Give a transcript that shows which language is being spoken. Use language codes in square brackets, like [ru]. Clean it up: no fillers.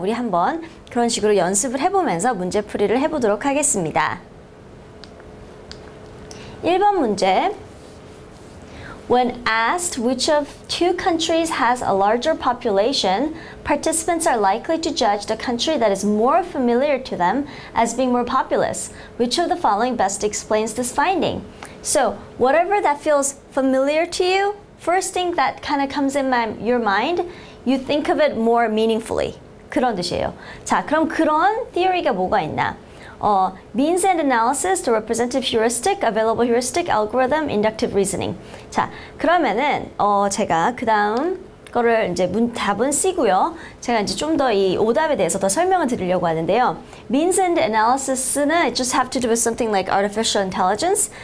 [ko] 우리 한번 그런 식으로 연습을 해보면서 문제풀이를 해보도록 하겠습니다. 1번 문제. [en] When asked which of two countries has a larger population, participants are likely to judge the country that is more familiar to them as being more populous. Which of the following best explains this finding? So, whatever that feels familiar to you, first thing that kind of comes in your mind, you think of it more meaningfully. [ko] 그런 뜻이에요. 자, 그럼 그런 theory가 뭐가 있나? [en] Means and analysis, the representative heuristic, available heuristic, algorithm, inductive reasoning. [ko] 자, 그러면은 제가 그 다음 거를 이제 답은 C고요. 제가 이제 좀 더 이 오답에 대해서 더 설명을 드리려고 하는데요. [en] Means and analysis는 it just have to do with something like artificial intelligence.